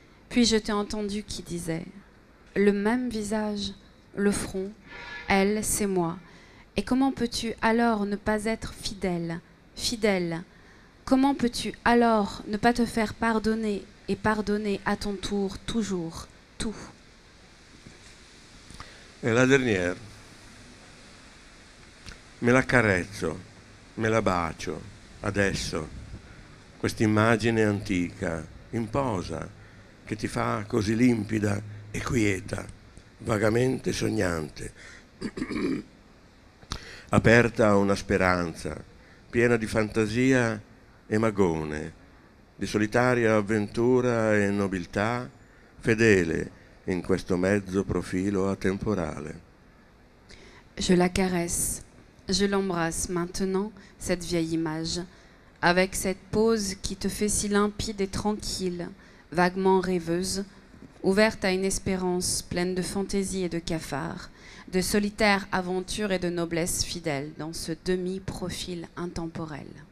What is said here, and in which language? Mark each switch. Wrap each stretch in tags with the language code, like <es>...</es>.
<fr>Puis je t'ai entendu qui disait, le même visage, le front, elle, c'est moi. Et comment peux-tu alors ne pas être fidèle, fidèle? Comment peux-tu alors ne pas te faire pardonner et pardonner à ton tour, toujours, tout? Et la dernière,</fr> <it>me la carezzo, me la bacio, adesso, questa immagine antica, in posa, che ti fa così limpida e quieta, vagamente sognante, aperta a una speranza, piena di fantasia e magone, di solitaria avventura e nobiltà, fedele in questo mezzo profilo atemporale.</it> <fr>Je la caresse, je l'embrasse maintenant, cette vieille image, avec cette pose qui te fait si limpide et tranquille, vaguement rêveuse, ouverte à une espérance pleine de fantaisie et de cafards, de solitaire aventure et de noblesse fidèle dans ce demi-profil intemporel.</fr>